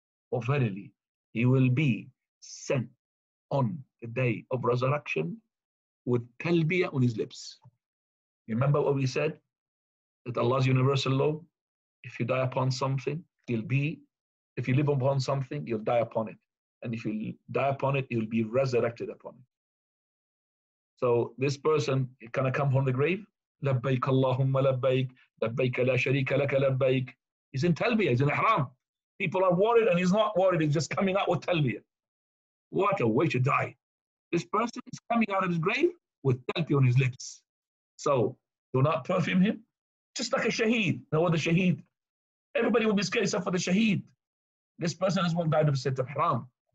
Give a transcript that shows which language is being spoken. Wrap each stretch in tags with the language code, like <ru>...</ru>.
<en>For verily, he will be sent on the day of resurrection with talbiyah on his lips. Remember what we said? That Allah's universal law, if you die upon something, if you live upon something, you'll die upon it. And if you die upon it, you'll be resurrected upon it. So this person, can I come from the grave?</en> <ar>لبيك اللهم لبيك لبيك لا شريك لك لبيك.</ar> <en>He's in talbiyah, he's in ihram. People are worried and he's not worried, he's just coming out with talbiyah. What a way to die. This person is coming out of his grave with talbiyah on his lips. So do not perfume him. Just like a shaheed. Now what the shaheed? Everybody will be scared except for the shaheed. This person as well died of a state of haram.</en>